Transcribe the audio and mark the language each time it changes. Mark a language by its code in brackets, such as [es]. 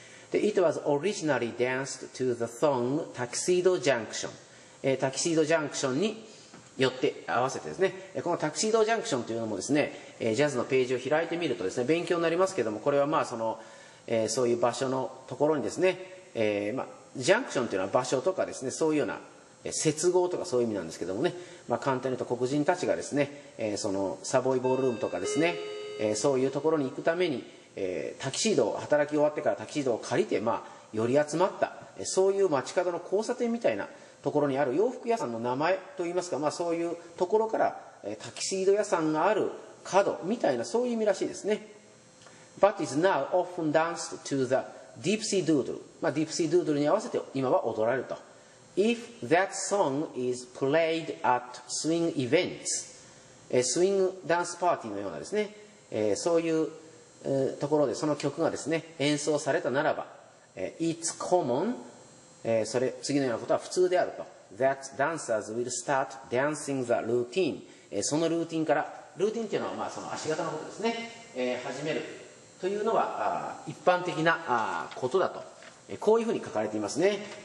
[ja] で、 [en] It was originally danced to the song Tuxedo Junction、 [ja] タキシードジャンクションによって合わせてですね、このタキシードジャンクションというのもですね、ジャズのページを開いてみるとですね、勉強になりますけども、これはまあその、そういう場所のところにですね、まあ、ジャンクションというのは場所とかですね、そういうような接合とかそういう意味なんですけどもね、まあ、簡単に言うと黒人たちがですね、そのサボイボールルームとかですね、そういうところに行くために、タキシードを働き終わってからタキシードを借りて、まあ、寄り集まった、そういう街角の交差点みたいなところにある洋服屋さんの名前といいますか、まあ、そういうところからタキシード屋さんがある角みたいな、そういう意味らしいですね。 [en] But is now often danced to the Deep Sea Doodle、 [ja] まあ、Deep Sea Doodle に合わせて今は踊られると。 [en] If that song is played at swing events、 [ja] スイングダンスパーティーのようなですね、そういう、ところでその曲がですね演奏されたならば、 [en] It's common、 [ja] それ次のようなことは普通であると [en] That dancers will start dancing the routine、 [ja] そのルーティンからルーティンというのはまあその足型のことですね、始めるというのは一般的なことだと、こういうふうに書かれていますね。